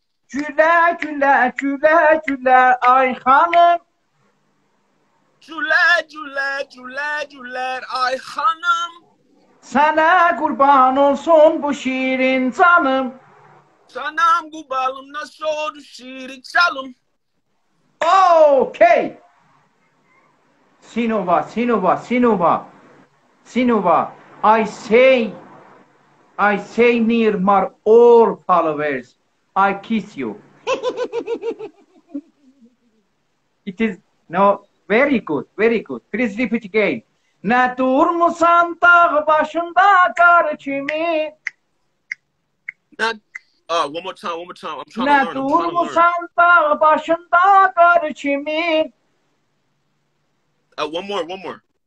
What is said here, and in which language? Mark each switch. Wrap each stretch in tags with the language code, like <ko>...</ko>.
<az>Güle güle güle güle ay hanım. Güle güle güle güle ay hanım. Sana kurban olsun bu şirin canım. Sana kurban olsun bu şirin canım.</az> <en>Okay. Sinova, Sinova, Sinova, Sinova, I say near my all followers, I kiss you. It is, no, very good, very good. Please repeat again.</en> <az>Ne durmuşsan dağ başında kar kimi.</az> <en>One more time.</en> <az>Ne durmuşsan dağ başında kar kimi.</az> <en>One more.</en>